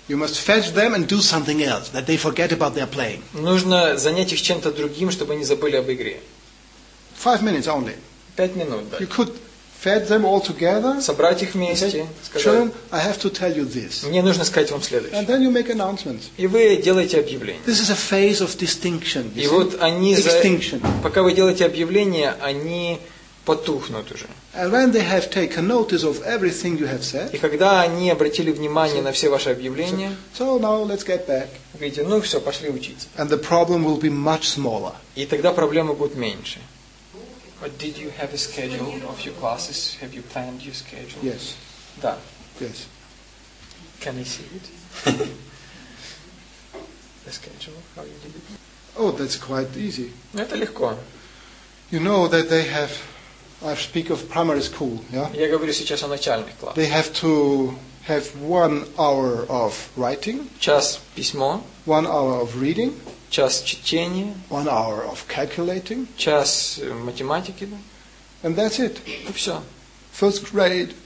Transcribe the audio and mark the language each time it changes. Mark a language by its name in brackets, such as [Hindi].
[English] You must fetch them and do something else, that they forget about their playing. [Russian] Нужно занять их чем-то другим, чтобы они забыли об игре. [English] 5 minutes only. [Russian] 5 минут, да. [English] You could fetch them all together. [Russian] Собрать их вместе. [English] Say, [Russian] сказать, [English] children, I have to tell you this. [Russian] Мне нужно сказать вам следующее. [English] And then you make announcements. [Russian] И вы делаете объявление. [English] This is a phase of distinction. [Russian] И вот они за... Пока вы делаете объявление, они... потухнут уже. [English] And when they have taken notice of everything you have said, [Russian] и когда они обратили внимание на все ваши объявления, [English] so now let's get back. [Russian] Говорите, ну все, пошли учиться. [English] And the problem will be much smaller. [Russian] И тогда проблемы будут меньше. [English] But did you have a schedule of your classes? Have you planned your schedule? Yes. [Russian] Да. [English] Yes. Can I see it? The schedule, how you did it? Oh, that's quite easy. [Russian] Это легко. [English] You know that they have I speak of primary school, [Russian] Я говорю сейчас о начальных классах. [English] They have to have 1 hour of writing. [Russian] Час письмо. [English] 1 hour of reading. [Russian] Час чтения. [English] 1 hour of calculating. [Russian] Час математики. [English] And that's it. [Russian] И все. [English] First grade.